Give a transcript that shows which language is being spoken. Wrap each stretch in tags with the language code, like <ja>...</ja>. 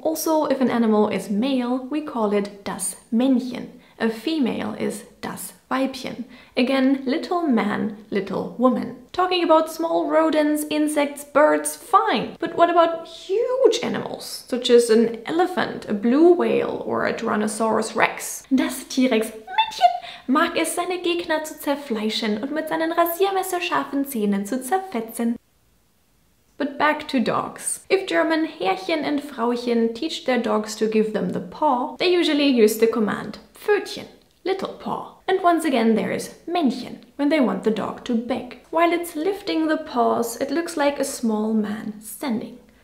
<en>Also, if an animal is male, we call it</en> <de>das Männchen.</de> <en>A female is</en> <de>das Weibchen.</de> <en>Again, little man, little woman. Talking about small rodents, insects, birds, fine. But what about huge animals, such as an elephant, a blue whale, or a Tyrannosaurus Rex?</en> <de>Das T-Rex Männchen mag es, seine Gegner zu zerfleischen und mit seinen rasiermesserscharfen Zähnen zu zerfetzen.</de> <en>But back to dogs. If German Herrchen and Frauchen teach their dogs to give them the paw, they usually use the command Pfötchen, little paw. And once again, there is Männchen, when they want the dog to beg. While it's lifting the paws, it looks like a small man standing.</en>